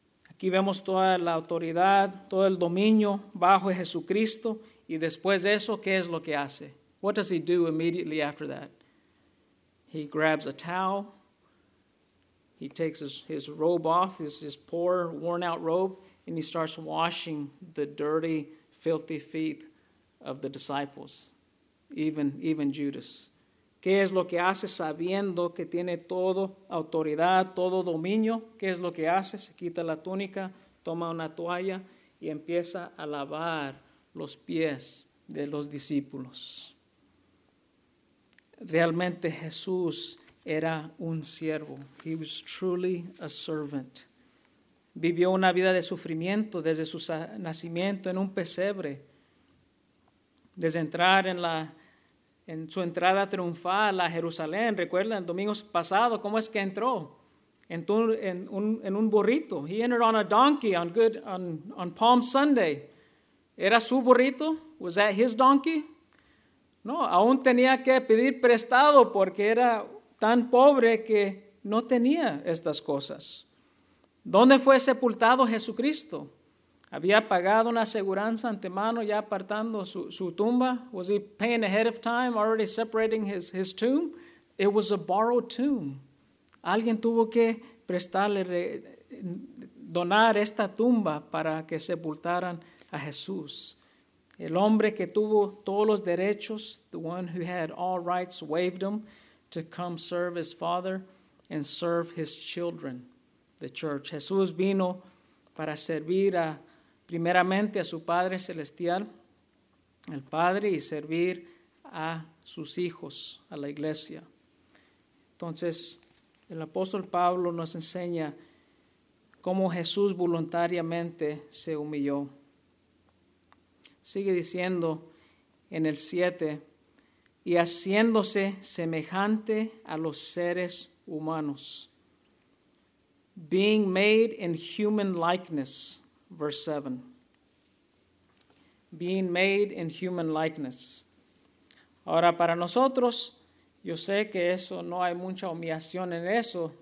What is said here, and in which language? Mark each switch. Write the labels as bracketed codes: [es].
[es] Aquí vemos toda la autoridad, todo el dominio bajo Jesucristo. Y después de eso, ¿qué es lo que hace? [en] What does he do immediately after that? He grabs a towel. He takes his robe off. This is his poor, worn out robe. And he starts washing the dirty filthy feet of the disciples, even Judas. [es] ¿Qué es lo que hace sabiendo que tiene todo autoridad, todo dominio? ¿Qué es lo que hace? Se quita la túnica, toma una toalla y empieza a lavar los pies de los discípulos. Realmente Jesús era un siervo. [en] He was truly a servant. [es] Vivió una vida de sufrimiento desde su nacimiento en un pesebre. Desde entrar en su entrada triunfal a Jerusalén. Recuerda el domingo pasado, ¿cómo es que entró? En un burrito. [en] He entered on a donkey on Palm Sunday. [es] ¿Era su burrito? [en] Was that his donkey? [es] No, aún tenía que pedir prestado porque era tan pobre que no tenía estas cosas. ¿Dónde fue sepultado Jesucristo? ¿Había pagado una aseguranza antemano ya apartando su tumba? [en] Was he paying ahead of time, already separating his tomb? It was a borrowed tomb. [es] Alguien tuvo que prestarle, donar esta tumba para que sepultaran a Jesús. El hombre que tuvo todos los derechos, [en] the one who had all rights, waived them to come serve his father and serve his children, the church. [es] Jesús vino para servir a, primeramente a su Padre Celestial, el Padre, y servir a sus hijos, a la iglesia. Entonces, el apóstol Pablo nos enseña cómo Jesús voluntariamente se humilló. Sigue diciendo en el 7, y haciéndose semejante a los seres humanos. [en] Being made in human likeness, verse 7. Being made in human likeness. [es] Ahora, para nosotros, yo sé que eso no hay mucha humillación en eso.